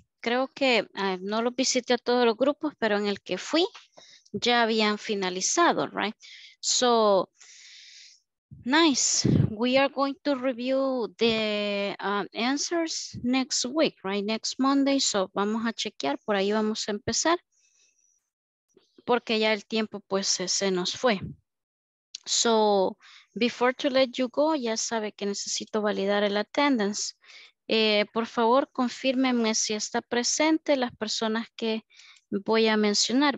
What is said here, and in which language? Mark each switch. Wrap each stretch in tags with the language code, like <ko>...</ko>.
<es>Creo que no lo visité a todos los grupos, pero en el que fui ya habían finalizado, right?</es> <en>So, nice. We are going to review the answers next week, right? Next Monday.</en> <es>So, vamos a chequear. Por ahí vamos a empezar. Porque ya el tiempo, pues, se nos fue. So,</es> <en>before to let you go,</en> <es>ya sabe que necesito validar el attendance. Por favor, confírmeme si está presente las personas que voy a mencionar.</es>